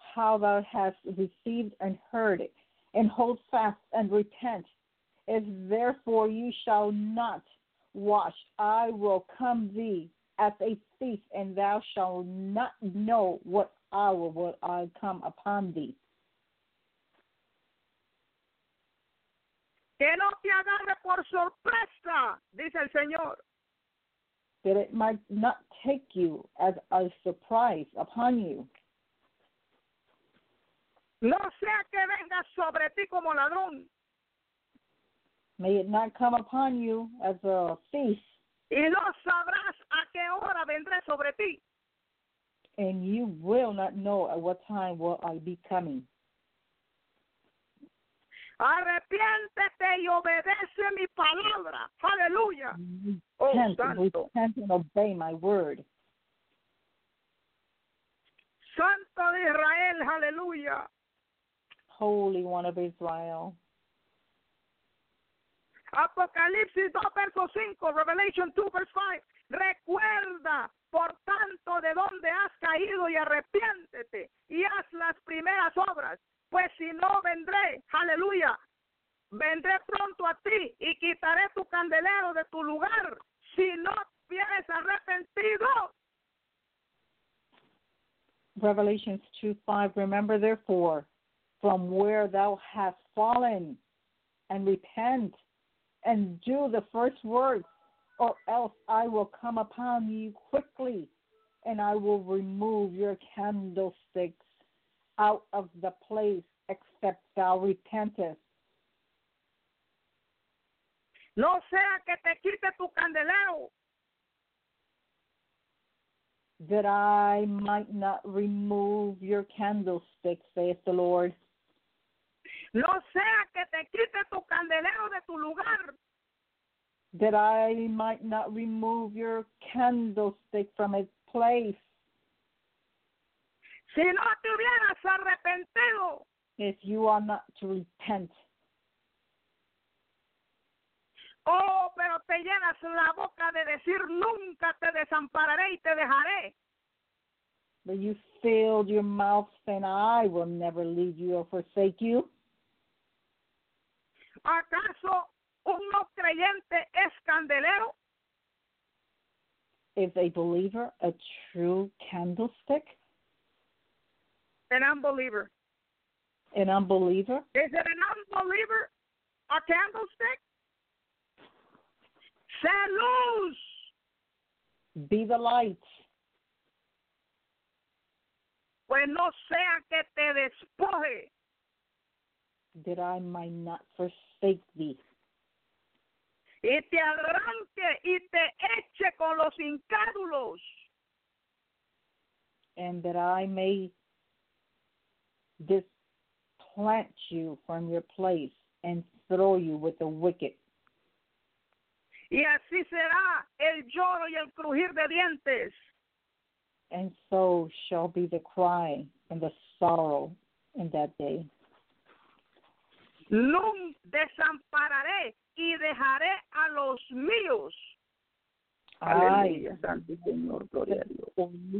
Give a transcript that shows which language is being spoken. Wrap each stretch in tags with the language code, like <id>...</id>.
<en>how thou hast received and heard it, and hold fast and repent. If therefore you shall not watch, I will come thee as a thief, and thou shalt not know what hour will I come upon thee.</en> <es>Que no te agarre por sorpresa, dice el Señor.</es> <en>That it might not take you as a surprise upon you.</en> <es>No sea que venga sobre ti como ladrón.</es> <en>May it not come upon you as a thief.</en> <es>Y no sabrás a qué hora vendré sobre ti.</es> <en>And you will not know at what time will I be coming.</en> <es>Arrepiéntete y obedece mi palabra. Aleluya.</es> <en>Repent and obey my word.</en> <es>Santo de Israel, aleluya.</es> <en>Holy One of Israel.</en> <es>Apocalipsis 2, verso 5.</es> <en>Revelation 2, verse 5.</en> <es>Recuerda, por tanto, de donde has caído y arrepiéntete y haz las primeras obras, pues si no vendré, aleluya, vendré pronto a ti y quitaré tu candelero de tu lugar si no vienes arrepentido.</es> <en>Revelation 2, 5. Remember, therefore, from where thou hast fallen, and repent, and do the first words, or else I will come upon you quickly, and I will remove your candlesticks out of the place, except thou repentest.</en> <es>No sea que te quite tu candelero.</es> <en>That I might not remove your candlesticks, saith the Lord.</en> <es>No sea que te quite tu candelero de tu lugar.</es> <en>That I might not remove your candlestick from its place.</en> <es>Si no te hubieras arrepentido.</es> <en>If you are not to repent.</en> <es>Oh, pero te llenas la boca de decir nunca te desampararé y te dejaré.</es> <en>But you filled your mouth saying, I will never leave you or forsake you.</en> <es>¿Acaso un no creyente es candelero?</es> <en>Is a believer a true candlestick? An unbeliever. An unbeliever? Is it an unbeliever a candlestick?</en> <es>Sé luz.</es> <en>Be the light.</en> <es>Pues no sea que te despoje.</es> <en>That I might not forsake thee.</en> <es>Y te arranque y te eche con los incrédulos.</es> <en>And that I may displant you from your place and throw you with the wicked.</en> <es>Y así será el lloro y el crujir de dientes.</es> <en>And so shall be the cry and the sorrow in that day.</en> <es>No desampararé y dejaré a los míos. Ay, Santo Señor, gloria a Dios.</es>